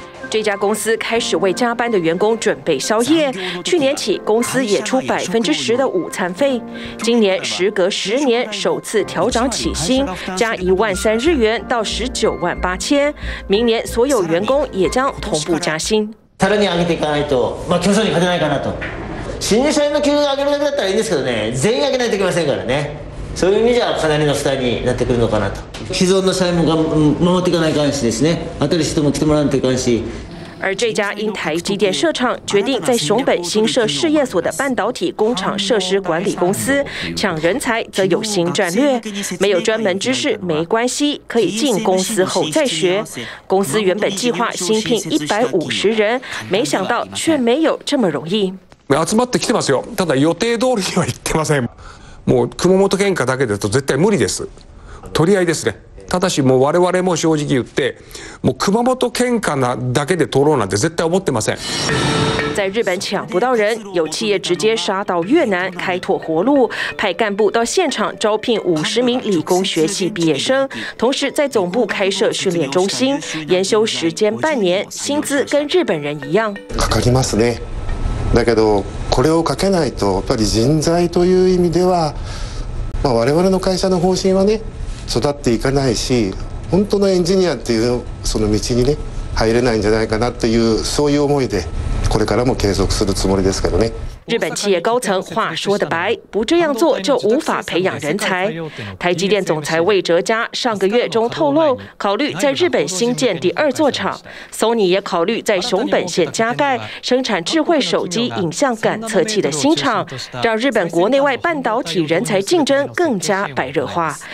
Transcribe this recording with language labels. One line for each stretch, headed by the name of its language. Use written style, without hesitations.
Chinese: 这家公司开始为加班的员工准备宵夜，去年起公司也出10%的午餐费，今年时隔10年首次调涨起薪，加13000日元到198000，明年所有员工也将同步加薪。
Japanese: さらに上げていかないと、まあ競争に勝てないかなと。新入社員の給料上げるだけだったらいいんですけどね、全員上げないといけませんからね。そういう意味じゃかなりの負担になってくるのかなと。既存の社員も守っていかないかんしですね、新しい人も来てもらわないといかんし。
Chinese: 而这家因台积电设厂，决定在熊本新设事业所的半导体工厂设施管理公司抢人才，则有新战略。没有专门知识没关系，可以进公司后再学。公司原本计划新聘150人，没想到却没有这么容易。
Japanese: 集まってきてますよ。ただ予定通りには行ってません。もう熊本県下だけだと絶対無理です。取り合いですね。ただしもう我々も正直言って、もう熊本県下だけで取ろうなんて絶対思ってません。
Chinese: 在日本抢不到人，有企业直接杀到越南开拓活路，派干部到现场招聘50名理工学系毕业生，同时在总部开设训练中心，研修时间半年，薪资跟日本人一样。
Japanese: かかりますね。だけどこれをかけないとやっぱり人材という意味では、まあ、我々の会社の方針はね育っていかないし、本当のエンジニアっていうその道にね入れないんじゃないかなという、そういう思いでこれからも継続するつもりですけどね。
Chinese: 日本企业高层话说的白，不这样做就无法培养人才。台积电总裁魏哲嘉上个月中透露，考虑在日本新建第二座厂。 Sony 也考虑在熊本县加盖生产智慧手机影像感测器的新厂，让日本国内外半导体人才竞争更加白热化。